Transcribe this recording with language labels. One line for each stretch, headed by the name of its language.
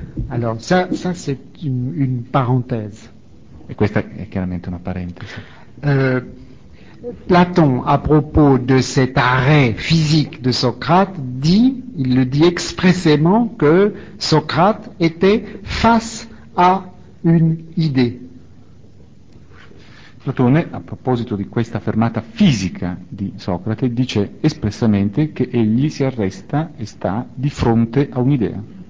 French: Alors, ça c'est une parenthèse.
Italian: Et questa è chiaramente una parentesi.
French: Platon, à propos de cet arrêt physique de Socrate, dit, il le dit expressément, que Socrate était face à une idée.
Italian: Platone, a proposito di questa fermata fisica di Socrate, dice espressamente che egli si arresta e sta di fronte a un'idea.